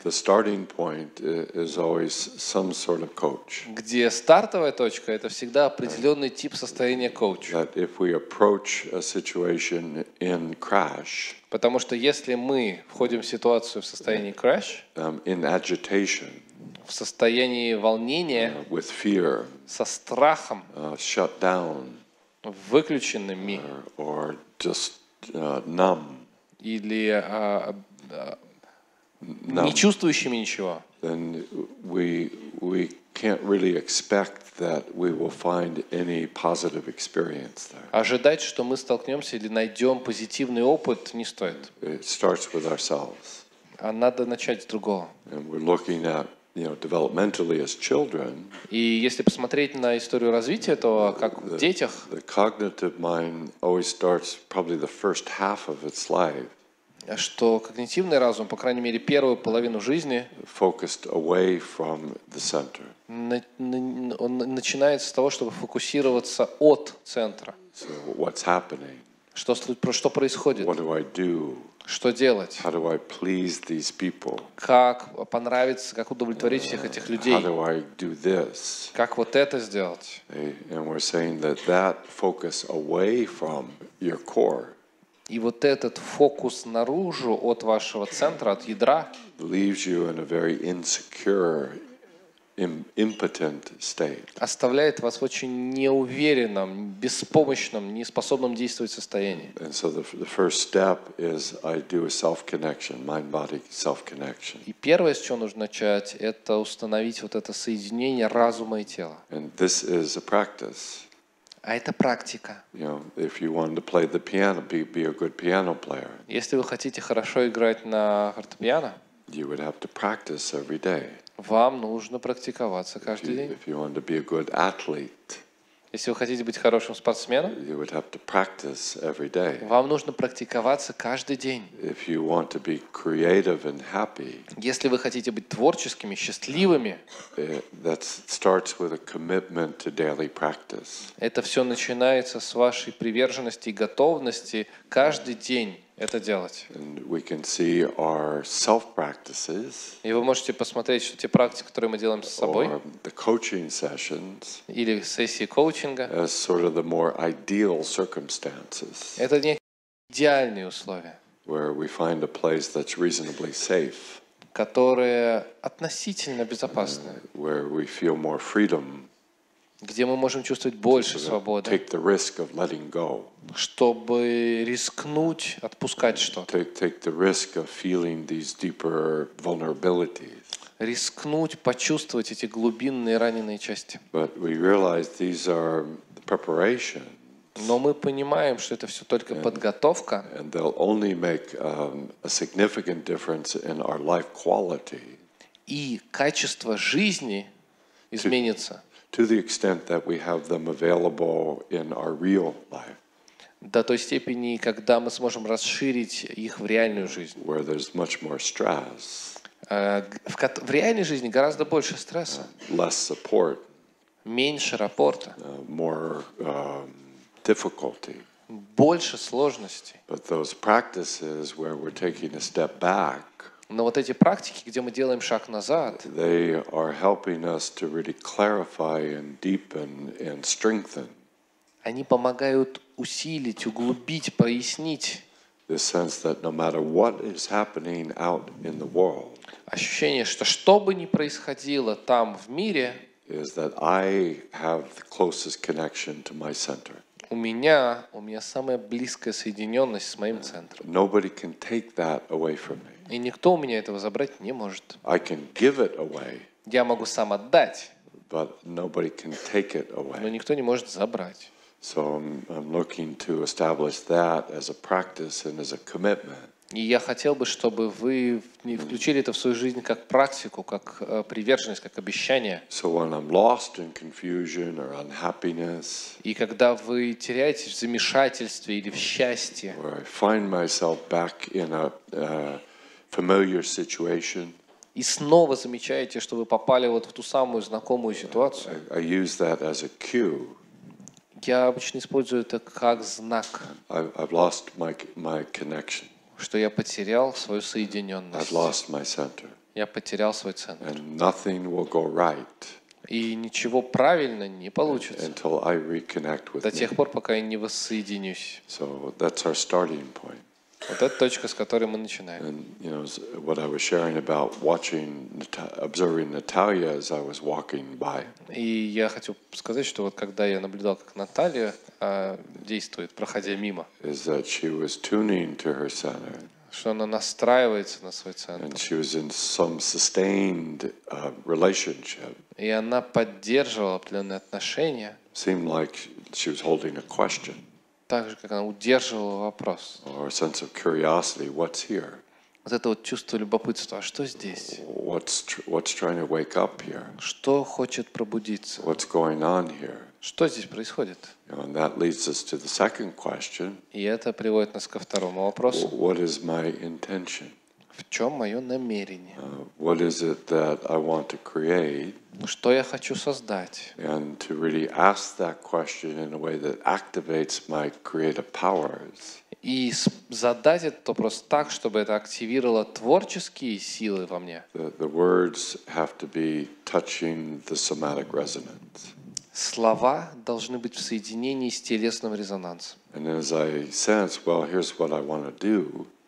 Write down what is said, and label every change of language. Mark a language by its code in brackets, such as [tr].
[en] The starting point is always some sort of coach. [ru] Где стартовая точка — это всегда определенный тип состояния коуча. [en] That if we approach a situation in crash. [ru] Потому что если мы входим в ситуацию в состоянии crash. [en] In agitation. [ru] В состоянии волнения. [en] With fear. [ru] Со страхом. [en] Shut down. [ru] Выключенными. [en] Or just numb. [ru] Или не чувствующими ничего. [en] Then we can't really expect that we will find any positive experience there. [ru] Ожидать, что мы столкнемся или найдем позитивный опыт, не стоит. [en] It starts with ourselves. [ru] А надо начать с другого. [en] And we're looking at, you know, developmentally as children. [ru] И если посмотреть на историю развития, то как в детях. [en] The cognitive mind always starts probably the first half of its life. [ru] Что когнитивный разум, по крайней мере, первую половину жизни, [en] focused away from the center. [ru] Он начинается с того, чтобы фокусироваться от центра. [en] So what's happening? [ru] Что происходит? [en] What do I do? [ru] Что делать? [en] How do I please these people? [ru] Как понравиться, как удовлетворить всех этих людей? [en] How do I do this? [ru] Как вот это сделать? [en] And we're saying that focus away from your core. [ru] И вот этот фокус наружу от вашего центра, от ядра, [en] leaves you in a very insecure, impotent state. [ru] Оставляет вас в очень неуверенном, беспомощном, неспособном действовать состоянии. [en] And so the first step is I do a self-connection, mind-body self-connection. [ru] И первое, с чего нужно начать, это установить вот это соединение разума и тела. [en] And this is a practice. [ru] А это практика. [en] You know, if you wanted to play the piano, be a good piano player. [ru] Если вы хотите хорошо играть на фортепиано, [en] you would have to practice every day. [ru] Вам нужно практиковаться каждый день. [en] If you wanted to be a good athlete, [ru] если вы хотите быть хорошим спортсменом, [en] you would have to practice every day. [ru] Вам нужно практиковаться каждый день. [en] If you want to be creative and happy, [ru] если вы хотите быть творческими, счастливыми, [en] that starts with a commitment to daily practice. [ru] Это все начинается с вашей приверженности и готовности каждый день это делать. [en] And we can see our self-practices. [ru] И вы можете посмотреть, что те практики, которые мы делаем с собой, [en] or the coaching sessions, [ru] или сессии коучинга, [en] as sort of the more ideal circumstances. [ru] Это не идеальные условия. [en] Where we find a place that's reasonably safe. [ru] Которые относительно безопасны. [en] Where we feel more freedom. [ru] Где мы можем чувствовать больше свободы. [en] Take the risk of letting go. [ru] Чтобы рискнуть отпускать что-то. [en] Take the risk of feeling these deeper vulnerabilities. [ru] Рискнуть почувствовать эти глубинные раненые части. [en] But we realize these are preparations. [ru] Но мы понимаем, что это все только подготовка. [en] And they'll only make a significant difference in our life quality. [ru] И качество жизни изменится. [en] To the extent that we have them available in our real life. [ru] До той степени, когда мы сможем расширить их в реальную жизнь. [en] Where there's much more stress. [ru] В реальной жизни гораздо больше стресса. [en] Less support. [ru] Меньше рапорта. [en] More difficulty. [ru] Больше сложностей. [en] But those practices where we're taking a step back. [ru] Но вот эти практики, где мы делаем шаг назад, [en] they are helping us to really clarify and deepen and strengthen. [ru] Они помогают усилить, углубить, прояснить. [en] The sense that no matter what is happening out in the world, [ru] ощущение, что бы ни происходило там в мире, [en] is that I have the closest connection to my center. [ru] У меня самая близкая соединенность с моим центром. [en] Nobody can take that away from me. [ru] И никто у меня этого забрать не может. [en] I can give it away. [ru] Я могу сам отдать. [en] But nobody can take it away. [ru] Но никто не может забрать. [en] So I'm looking to establish that as a practice and as a commitment. [ru] И я хотел бы, чтобы вы включили это в свою жизнь как практику, как приверженность, как обещание. [en] So when I'm lost in confusion or unhappiness, [ru] и когда вы теряетесь в замешательстве или в счастье, [en] or I find myself back in a familiar situation, [ru] и снова замечаете, что вы попали вот в ту самую знакомую ситуацию, [en] I use that as a cue. [ru] Я обычно использую это как знак. [en] I've lost my connection. [ru] Что я потерял свою соединенность. [en] I've lost my center. [ru] Я потерял свой центр. [en] And nothing will go right. [ru] И ничего правильно не получится. [en] Until I reconnect with [ru] до тех пор, пока я не воссоединюсь. [en] So that's our starting point. [ru] Вот это точка, с которой мы начинаем. [en] And you know what I was sharing about watching, observing Natalia as I was walking by. [ru] И я хочу сказать, что вот когда я наблюдал, как Наталья действует, проходя мимо. [en] Is that she was tuning to her center. [ru] Что она настраивается на свой центр. [en] And she was in some sustained relationship. [ru] И она поддерживала определенные отношения. [en] Seemed like she was holding a question. [ru] Так же, как она удерживала вопрос. [en] Or a sense of curiosity, what's here? [ru] Вот это вот чувство любопытства, а что здесь? [en] What's trying to wake up here? [ru] Что хочет пробудиться? [en] What's going on here? [ru] Что здесь происходит? [en] And that leads us to the second question. [ru] И это приводит нас ко второму вопросу. [en] What is my intention? [ru] В чем мое намерение? [en] What is it that I want to create? [ru] Что я хочу создать? [en] And to really ask that question in a way that activates my creative powers. [ru] И задать этот вопрос так, чтобы это активировало творческие силы во мне. [en] The words have to be touching the somatic resonance. [ru] Слова должны быть в соединении с телесным резонансом. [en] And as I sense, well, here's what I want to do.